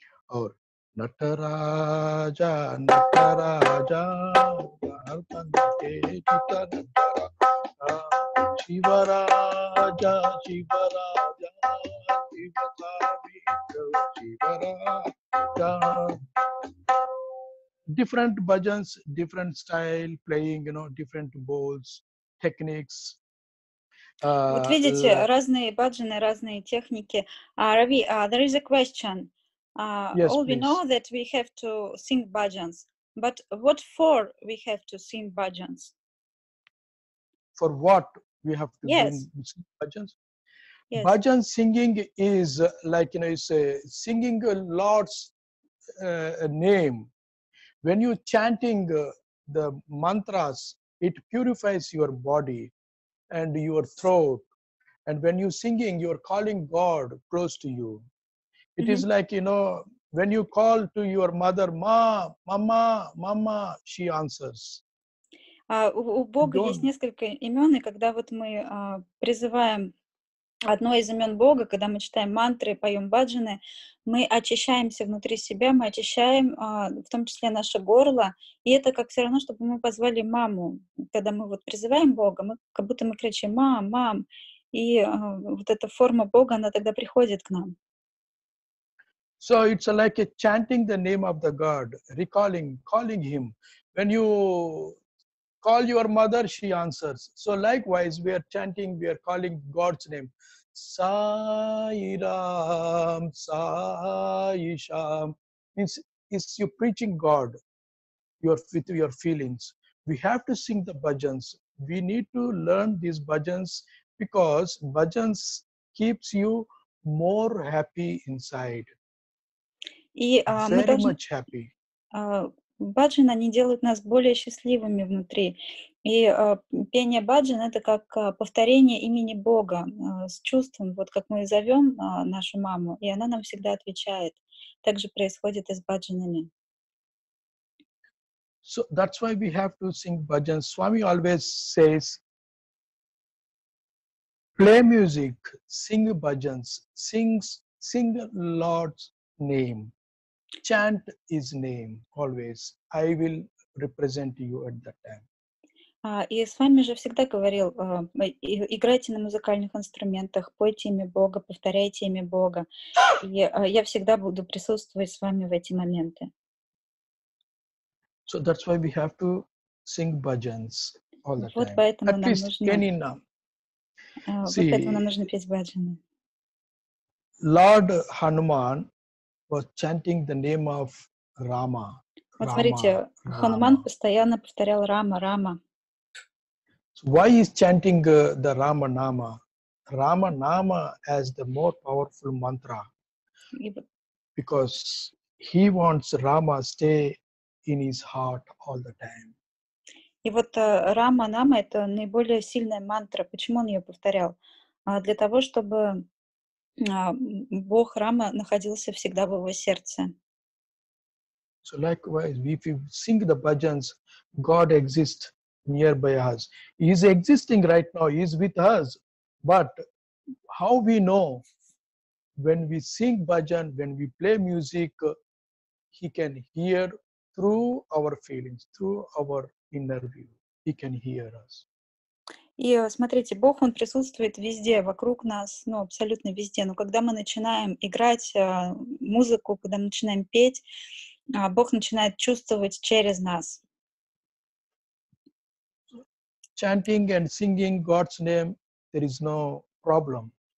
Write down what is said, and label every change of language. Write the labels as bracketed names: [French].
[English] Or Nataraja, Nataraja, Narpante Chuta Nataraja, Shivaraja, Shivaraja, Ivatavita, Shivaraja. Different bhajans, different style, playing, you know, different bowls, techniques. [Russian] Вот видите, разные баджаны, разные техники. [English] Рави, there is a question. Yes, all please. We know that we have to sing bhajans, but what for we have to sing bhajans? For what we have to sing bhajans? Yes. Bhajan singing is like, you know, you say singing Lord's name. When you chanting the mantras, it purifies your body and your throat, and when you singing, you are calling God close to you. It is like, you know, when you call to your mother, ma, mama, mama, she answers. [Russian] У Бога есть несколько имен, и когда вот мы призываем одно из имен Бога, когда мы читаем мантры, поем баджаны, мы очищаемся внутри себя, мы очищаем в том числе наше горло, и это как все равно, чтобы мы позвали маму. Когда мы вот призываем Бога, мы как будто мы кричим «мам», «мам», и вот эта форма Бога, она тогда приходит к нам. [English] So it's like a chanting the name of the God, recalling, calling Him. When you call your mother, she answers. So likewise, we are chanting, we are calling God's name. Sai Ram, Sai Sham. It's you preaching God with your feelings. We have to sing the bhajans. We need to learn these bhajans because bhajans keeps you more happy inside. Very much happy. [Russian] Баджан, они делают нас более счастливыми внутри. И пение баджан — это как повторение имени Бога с чувством, вот как мы зовем нашу маму, и она нам всегда отвечает. Так же происходит и с баджанами. [English] So that's why we have to sing bhajan. Swami always says, play music, sing bhajans, sing Lord's name. Chant His name always. I will represent you at that time. [Russian] И с вами же всегда говорил, играйте на музыкальных инструментах, пойте имя Бога, повторяйте имя Бога. И я всегда буду присутствовать с вами в эти моменты. [English] So that's why we have to sing bhajans all the [Russian] вот [English] time. [Russian] Вот поэтому [English] at [Russian] нам нужно... [English] At least can See, [Russian] вот поэтому нам нужно петь бхаджаны. [English] Lord Hanuman was chanting the name of Rama. [Russian] Вот смотрите, Хануман постоянно повторял Рама, Рама. [English] So why is chanting the Rama Nama? Rama Nama as the more powerful mantra. Because he wants Rama stay in his heart all the time. [Russian] И вот Рама Нама — это наиболее сильная мантра. Почему он ее повторял? Для того, чтобы Бог Рама находился всегда в его сердце. [English] So likewise, if we sing the bhajans, God exists nearby us. He is existing right now, He is with us. But how we know when we sing bhajan, when we play music, He can hear through our feelings, through our inner view. He can hear us. [Russian] И смотрите, Бог, Он присутствует везде, вокруг нас, ну, абсолютно везде. Но когда мы начинаем играть музыку, когда мы начинаем петь, Бог начинает чувствовать через нас. [English] Chanting and singing God's name, there is no problem.